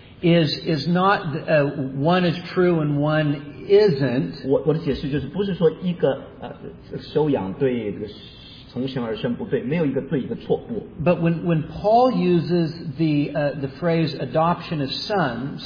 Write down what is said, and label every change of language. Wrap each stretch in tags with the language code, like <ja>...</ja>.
<en>is not one is true and one isn't.</en> <zh>我的解释就是不是说一个收养对这个 从神而生不对, 没有一个对一个错,</zh> <en>but when Paul uses the phrase adoption as sons,</en>